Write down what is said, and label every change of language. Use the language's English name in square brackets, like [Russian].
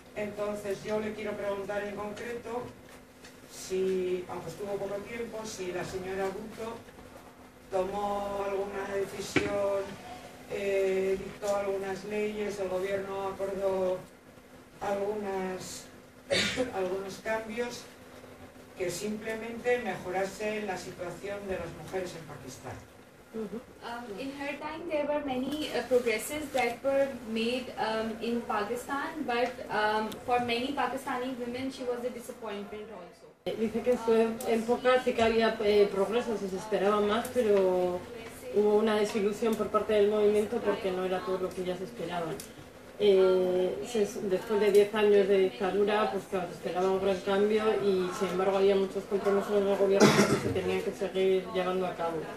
[Spanish] Entonces yo le quiero preguntar en concreto si, aunque estuvo poco tiempo, si la señora Bhutto tomó alguna decisión, dictó algunas leyes, el gobierno acordó algunos cambios que simplemente mejorasen la situación de las mujeres en Pakistán. [English] In her time, there were many progresses that were made in Pakistan, but for many Pakistani women, she was a disappointment also. [Spanish] Dice que en su época sí que había progresos y se esperaba más, pero hubo una desilusión por parte del movimiento porque no era todo lo que ellas esperaban. Después de 10 años de dictadura, pues claro, se esperaba un gran cambio y sin embargo había muchos compromisos del gobierno que se tenían que seguir llevando a cabo.